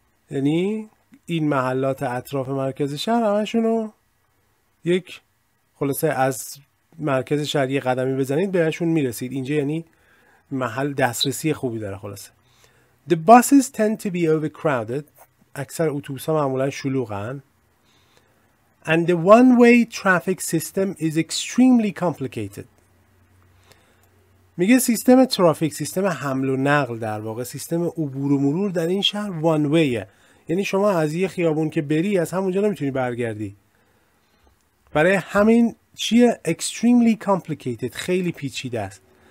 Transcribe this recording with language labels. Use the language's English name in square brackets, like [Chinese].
[Persian] یعنی این محلات اطراف مرکز شهر همشونو یک خلاصه از مرکز شهر یه قدمی بزنید بهشون میرسید. اینجا یعنی محل دسترسی خوبی داره. [English] خلاصه The buses tend to be overcrowded. [Persian] اکثر اتوبوس ها معمولا شلوغن. [English] And the one-way traffic system is extremely complicated. [Persian] میگه سیستم ترافیک، سیستم حمل و نقل در واقع، سیستم عبور و مرور در این شهر one-way، یعنی شما از یه خیابون که بری از همونجا نمیتونی برگردی. برای همین چیه؟ [English] extremely complicated، [Persian] خیلی پیچیده است.